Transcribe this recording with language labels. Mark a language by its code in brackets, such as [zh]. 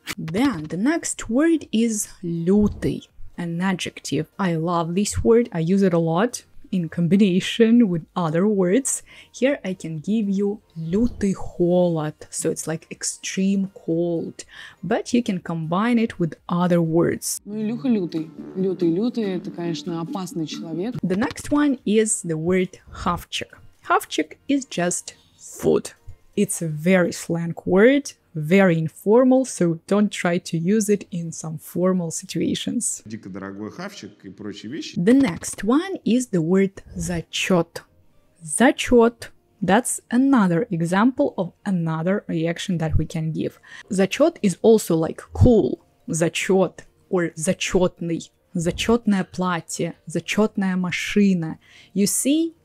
[en] Then the next word is лютый, an adjective. I love this word, I use it a lot in combination with other words. Here I can give you лютый холод, so it's like extreme cold, but you can combine it with other words. [ru] Ну, Илюха лютый. Лютый-лютый, это, конечно, опасный человек. [en] The next one is the word хавчик. Хавчик is just food. It's a very slang word. Very informal, so don't try to use it in some formal situations. [ru] Дико дорогой хавчик и прочие вещи. [en] The next one is the word зачёт. Зачёт. That's another example of another reaction that we can give. Зачёт is also like cool. Зачёт or зачётный. [ru] Зачётное платье. Зачётная машина. [en] You see?